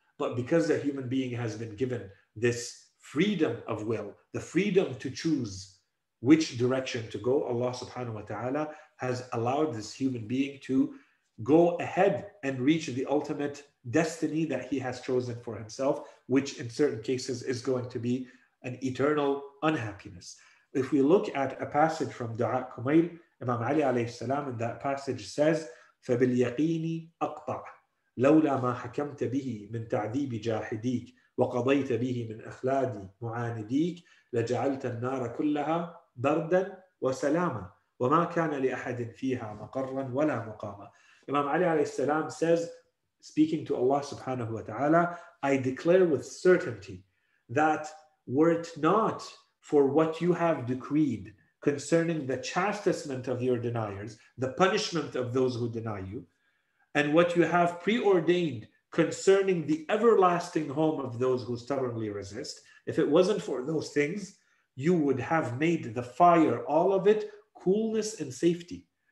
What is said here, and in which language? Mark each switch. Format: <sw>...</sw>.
<en>But because the human being has been given this freedom of will, the freedom to choose which direction to go, Allah subhanahu wa ta'ala has allowed this human being to go ahead and reach the ultimate destiny that he has chosen for himself, which in certain cases is going to be an eternal unhappiness. If we look at a passage from Du'a Kumail, Imam Ali alayhi salam, in that passage says,</en> <ar>فَبِالْيَقِينِ أَقْطَعْ لَوْلَا مَا حَكَمْتَ بِهِ مِنْ تَعْذِيبِ جَاحِدِيكِ وَقَضَيْتَ بِهِ مِنْ أَخْلَادِ مُعَانِدِيكِ لَجَعَلْتَ النَّارَ كُلَّهَا بَرْدًا وَسَلَامًا وَمَا كَانَ لِأَحَدٍ فِيهَا مَقَرًّا وَلَا مُقَامًا.</ar> <en>Imam Ali alayhi salam says, speaking to Allah subhanahu wa ta'ala, I declare with certainty that were it not for what you have decreed concerning the chastisement of your deniers, the punishment of those who deny you, and what you have preordained concerning the everlasting home of those who stubbornly resist, if it wasn't for those things, you would have made the fire, all of it, coolness and safety.</en>